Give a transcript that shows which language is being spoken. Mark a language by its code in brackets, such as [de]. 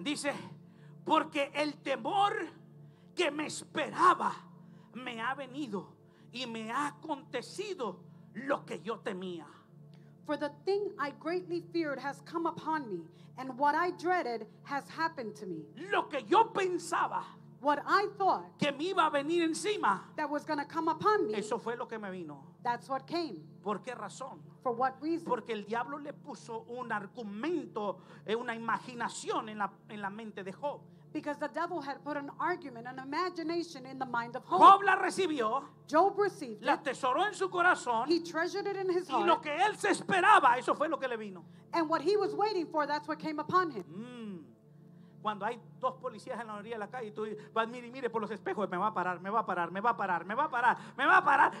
[es] Dice, porque el temor que me esperaba me ha venido y me ha acontecido lo que yo temía. [en] For the thing I greatly feared has come upon me, and what I dreaded has happened to me. [es] Lo que yo pensaba, [en] what I thought, [es] que me iba a venir encima, [en] that was going to come upon me, [es] eso fue lo que me vino. [en] That's what came. [es] ¿Por qué razón? [en] For what reason? [es] Porque el diablo le puso un argumento, una imaginación en la mente de Job. [en] Because the devil had put an argument, an imagination in the mind of Job. [es] Job la recibió. [en] Job received [es] la atesoró en su corazón. [en] He treasured it in his heart. [es] Y lo que él se esperaba, eso fue lo que le vino. [en] And what he was waiting for, that's what came upon him. [es] Cuando hay dos policías en la orilla de la calle, tú vas, mire, mire por los espejos, me va a parar, me va a parar, me va a parar, me va a parar, me va a parar.